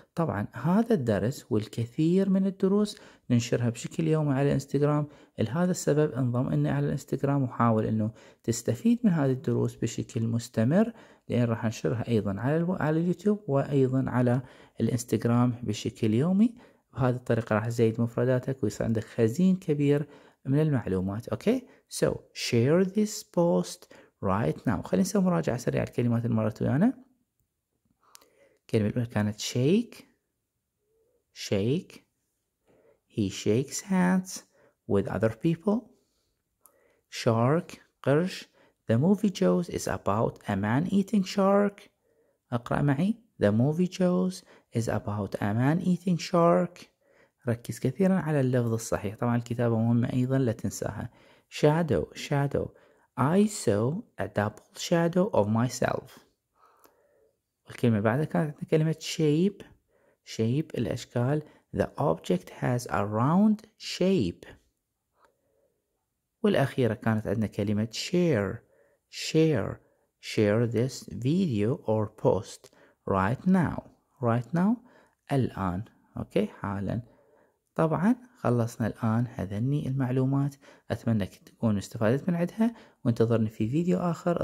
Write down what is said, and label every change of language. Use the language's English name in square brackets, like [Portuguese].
[Arabic] طبعا هذا الدرس والكثير من الدروس ننشرها بشكل يومي على الانستغرام، لهذا السبب انضم إني على الانستغرام وحاول أنه تستفيد من هذه الدروس بشكل مستمر، لأن راح أنشرها أيضا على اليوتيوب وأيضا على الانستغرام بشكل يومي. بهذه الطريقة راح تزيد مفرداتك ويصير عندك خزين كبير من المعلومات. [English] Okay, so share this post right now. [Arabic] خلينا نسوي مراجعة سريعة الكلمات المرة ويانا. الكلمة الأولى كانت shake. [English] He shakes hands with other people. Shark، قرش. The movie Jaws is about a man eating shark. [Arabic] اقرأ معي، [English] The movie Jaws is about a man eating shark. [Arabic] ركز كثيرا على اللفظ الصحيح، طبعا الكتابة مهمة أيضا لا تنساها. [English] Shadow I saw a double shadow of myself. [Arabic] الكلمة بعدها كانت كلمة shape الأشكال. [English] The object has a round shape. [Arabic] والأخيرة كانت عندنا كلمة [English] share this video or post right now [Arabic] الآن. أوكي، حالا طبعا خلصنا الآن هذني المعلومات، أتمنى تكون استفادت من عدها، وانتظرني في فيديو آخر.